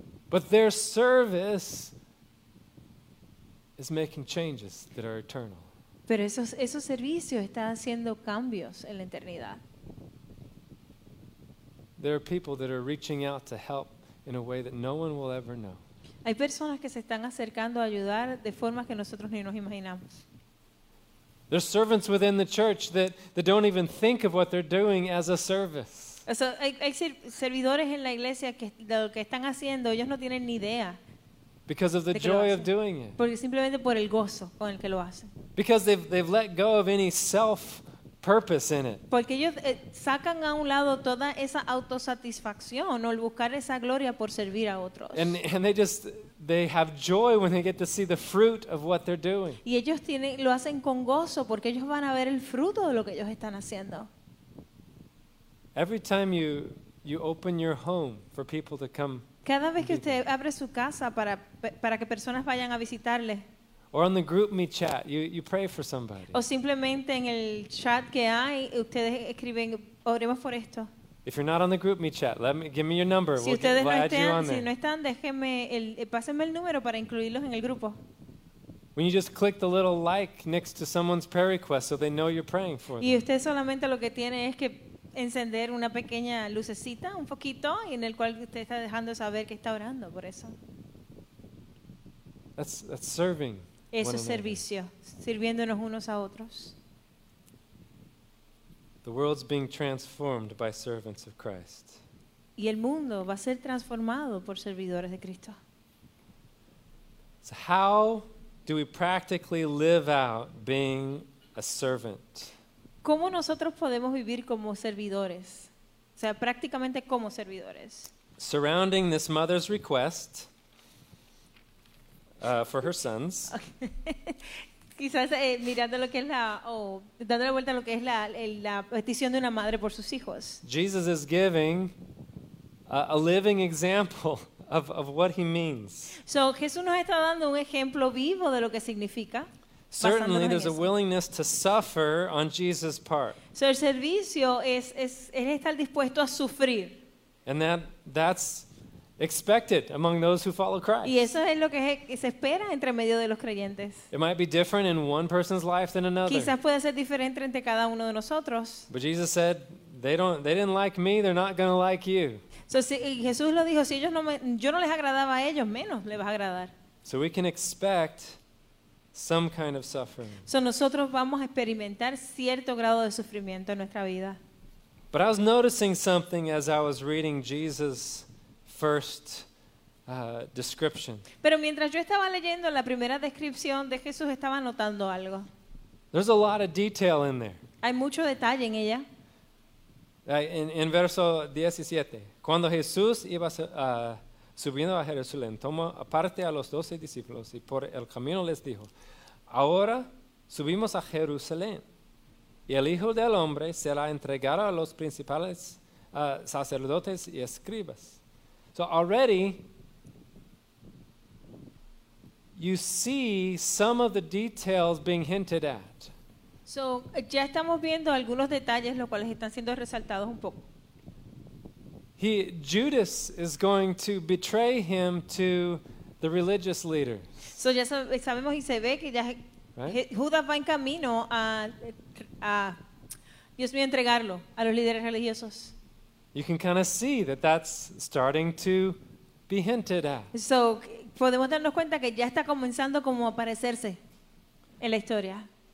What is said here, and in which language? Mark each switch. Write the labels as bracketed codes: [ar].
[en] But their service is making changes that are eternal. [es] Pero esos servicios están haciendo cambios en la eternidad. [en] There are people that are reaching out to help in a way that no one will ever know. [es] Hay personas que se están acercando a ayudar de formas que nosotros ni nos imaginamos. [en] There's servants within the church that don't even think of what they're doing as a service. [es] So, hay servidores en la iglesia que de lo que están haciendo, ellos no tienen ni idea. [en] Because of the joy of doing it. [es] Porque simplemente por el gozo con el que lo hacen. [en] Because they've let go of any self purpose in it. [es] Porque ellos sacan a un lado toda esa autosatisfacción o el buscar esa gloria por servir a otros. [en] And they have joy when they get to see the fruit of what they're doing. [es] Y ellos lo hacen con gozo porque ellos van a ver el fruto de lo que ellos están haciendo. [en] Every time you open your home for people to come. [es] Cada vez que usted abre su casa para que personas vayan a visitarle. [en] Or on the group me chat, you pray for somebody. [es] O simplemente en el chat que hay, ustedes escriben, oremos por esto. [en] If you're not on the group me chat, give me your number. [es] Si ustedes no están, si no están, déjenme pásenme el número para incluirlos en el grupo. [en] When you just click the little like next to someone's prayer request, so they know you're praying for them. [es] Y usted solamente lo que tiene es que encender una pequeña lucecita, un poquito, y en el cual usted está dejando saber que está orando por eso. [en] That's serving. [es] Eso es servicio, sirviéndonos unos a otros. [en] The world's being transformed by servants of Christ. [es] Y el mundo va a ser transformado por servidores de Cristo. [en] So how do we practically live out being a servant? [es] ¿Cómo nosotros podemos vivir como servidores? O sea, prácticamente como servidores. [en] Surrounding this mother's request. For her sons. [es] Quizás mirando lo que es la dando la vuelta a lo que es la petición de una madre por sus hijos. [en] Jesus is giving a living example of what he means. [es] So Jesús nos está dando un ejemplo vivo de lo que significa. [en] Certainly there's [es] eso. [en] A willingness to suffer on Jesus' part. [es] So el servicio es estar dispuesto a sufrir. [en] And that's expected among those who follow Christ. [es] Y eso es lo que se espera entre medio de los creyentes. [en] It might be different in one person's life than another. [es] Quizás pueda ser diferente entre cada uno de nosotros. [en] But Jesus said, they didn't like me, they're not going to like you. [es] So si Jesús lo dijo, si ellos yo no les agradaba a ellos, menos les vas a agradar. [en] So we can expect some kind of suffering. [es] So nosotros vamos a experimentar cierto grado de sufrimiento en nuestra vida. [en] But I was noticing something as I was reading Jesus first description. [es] Pero mientras yo estaba leyendo la primera descripción de Jesús, estaba notando algo. [en] There's a lot of detail in there. [es] Hay mucho detalle en ella. En verso 17, cuando Jesús iba subiendo a Jerusalén, tomó aparte a los 12 discípulos y por el camino les dijo: ahora subimos a Jerusalén y el Hijo del Hombre será entregado a los principales sacerdotes y escribas. [en] So already, you see some of the details being hinted at. [es] So ya estamos viendo algunos detalles, los cuales están siendo resaltados un poco. [en] Judas is going to betray him to the religious leaders. [es] So ya sabemos y se ve que ya Judas va en camino a Dios mío, entregarlo a los líderes religiosos. [en] You can kind of see that's starting to be hinted at. [es] So, podemos darnos cuenta que ya está comenzando como a aparecerse en la historia.